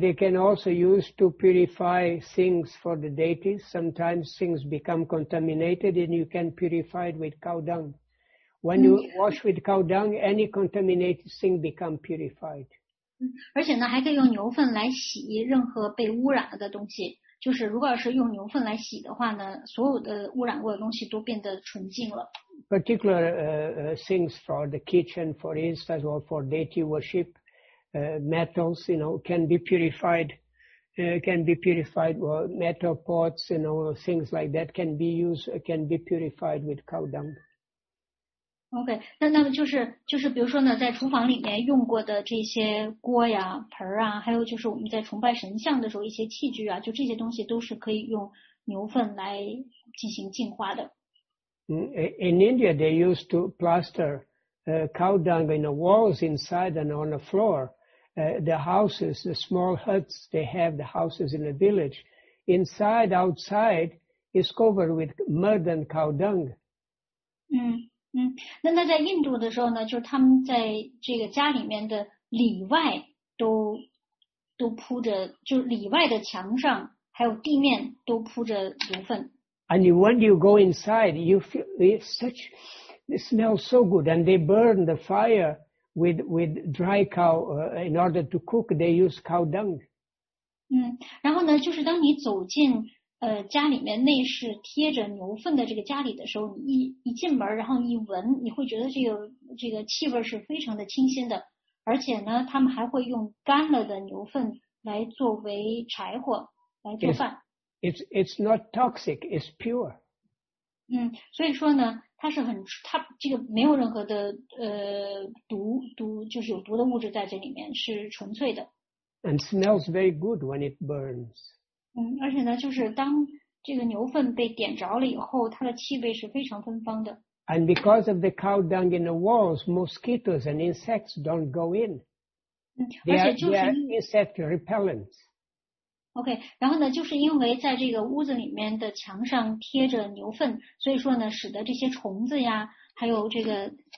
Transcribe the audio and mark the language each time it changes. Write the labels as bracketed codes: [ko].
[en] They can also use to purify things for the deities. Sometimes things become contaminated and you can purify it with cow dung. When you wash with cow dung, any contaminated thing become purified. [zh] 而且呢还可以用牛粪来洗任何被污染了的东西，就是如果是用牛粪来洗的话呢，所有的污染过的东西都变得纯净了。 [en] Particular things for the kitchen, for instance, or for deity worship, metals, you know, can be purified, or metal pots, you know, things like that can be used, can be purified with cow dung. [zh] OK, 那么就是比如说呢，在厨房里面用过的这些锅呀盆啊，还有就是我们在崇拜神像的时候一些器具啊，就这些东西都是可以用牛粪来进行净化的。 [en] In India, they used to plaster cow dung in the walls inside and on the floor. The houses, the small huts, they have the houses in the village. Inside, outside, is covered with mud and cow dung. [zh] 那那在印度的时候呢，就是他们在这个家里面的里外都铺着，就里外的墙上还有地面都铺着牛粪。 [en] And when you go inside, you feel it smells so good. And they burn the fire with dry cow, in order to cook, they use cow dung. [zh] 然后呢，就是当你走进家里面内饰贴着牛粪的这个家里的时候，你一进门，然后你一闻，你会觉得这个气味是非常的清新的，而且呢，他们还会用干了的牛粪来作为柴火来做饭。 [en] It's not toxic, it's pure. [zh] 所以说呢，它是很，它这个没有任何的毒，就是有毒的物质在这里面，是纯粹的。 [en] And smells very good when it burns. [zh] 而且呢，就是当这个牛粪被点着了以后，它的气味是非常芬芳的。 [en] And because of the cow dung in the walls, mosquitoes and insects don't go in. [zh] 而 [en] They [zh] 且就是 [en] are insect repellents. [zh] OK，然后呢，就是因为在这个屋子里面的墙上贴着牛粪，所以说呢，使得这些虫子呀，还有这个，